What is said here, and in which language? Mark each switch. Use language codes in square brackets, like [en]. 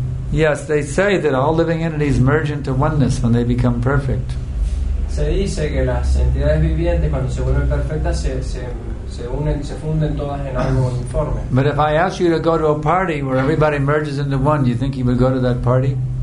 [en] Yes, they say that all living entities merge into oneness when they become perfect. [es] Se dice que las entidades vivientes cuando se vuelven perfectas se unen, se funden todas en algo uniforme. [en] But if I ask you to go to a party where everybody merges into one, do you think you would go to that party?